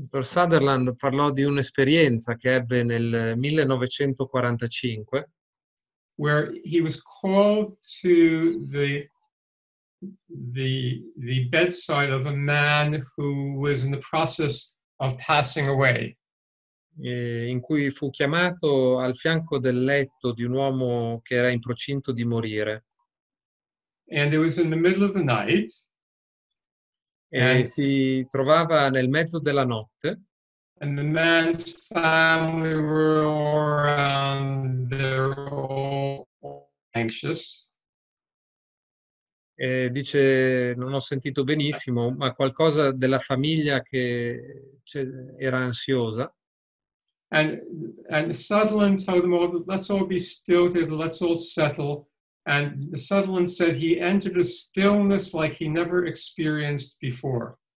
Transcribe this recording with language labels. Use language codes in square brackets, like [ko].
[it] Dr. Sutherland parlò di un'esperienza che ebbe nel 1945. [en] Where he was called to the bedside of a man who was in the process of passing away. [it] In cui fu chiamato al fianco del letto di un uomo che era in procinto di morire. [en] And it was in the middle of the night. [it] E si trovava nel mezzo della notte. [en] And the man's family were all around, they're all anxious. [it] E dice, non ho sentito benissimo, ma qualcosa della famiglia che era ansiosa. [en] And Sutherland told them all, let's all be still together, let's all settle. And Sutherland said he entered a stillness like he never experienced before.